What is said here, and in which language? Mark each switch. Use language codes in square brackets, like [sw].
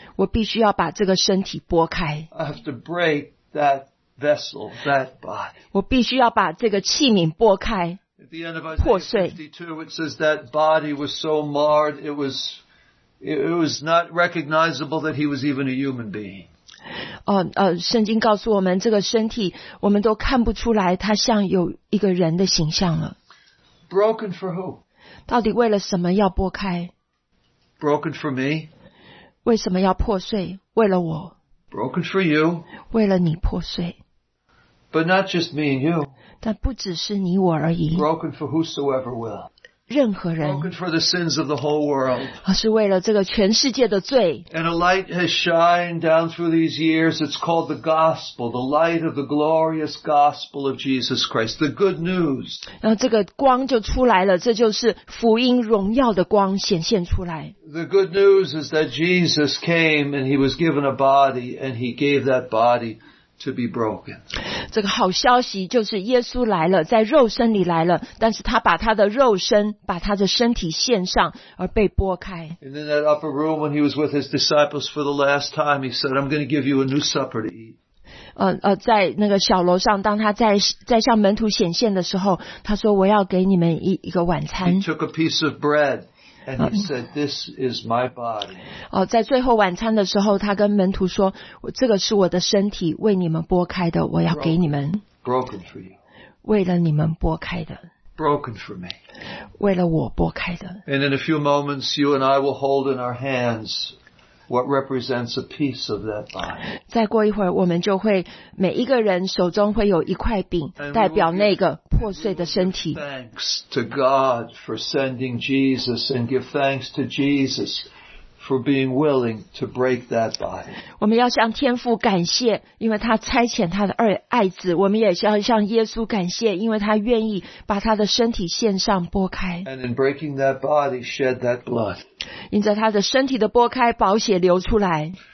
[zh] 我必须要把这个身体剥开。 [en] I have to break that vessel, that body. [zh] 我必须要把这个器皿剥开。 [en] At the end of Isaiah 52, it says that body was so marred, it was not recognizable that he was even a human being. [zh] 圣经告诉我们这个身体，我们都看不出来它像有一个人的形象了。 [en] Broken for who? [zh] 到底为了什么要剥开？ [en] Broken for me? [zh] 为什么要破碎？为了我。 [en] Broken for you? [zh] 为了你破碎。 [en] But not just me and you. [zh] 但不只是你我而已。 [en] Broken for whosoever will. [zh] 任何人。 [en] Broken for the sins of the whole world. [zh] 是为了这个全世界的罪。 [en] And a light has shined down through these years. It's called the gospel, the light of the glorious gospel of Jesus Christ, the good news. [zh] 然后这个光就出来了，这就是福音荣耀的光显现出来。 [en] The good news is that Jesus came and he was given a body and he gave that body. To be broken. [zh] 这个好消息就是耶稣来了，在肉身里来了，但是他把他的肉身，把他的身体献上，而被剥开。 [en] And in that upper room, when he was with his disciples for the last time, he said, "I'm going to give you a new supper to eat." [zh] 在那个小楼上，当他在向门徒显现的时候，他说：“我要给你们一个晚餐。” [en] He took a piece of bread. And he said, "This is my body." [zh] 在最后晚餐的时候，他跟门徒说：“这个是我的身体，为你们剥开的，我要给你们。 [en] Broken for you. [zh] 为了你们剥开的。 [en] Broken for me. [zh] 为了我剥开的。 [en] And in a few moments, you and I will hold in our hands what represents a piece of that body. [zh] 再过一会儿，我们就会每一个人手中会有一块饼，代表那个。破碎的身体。 [en] Thanks to God for sending Jesus and give thanks to Jesus for being willing to break that body. [zh] 我们要向天父感谢，因为他差遣他的爱子。我们也要向耶稣感谢，因为他愿意把他的身体献上剥开。 [en] And in breaking that body, shed that blood. [zh] 因着他的身体的剥开，宝血流出来。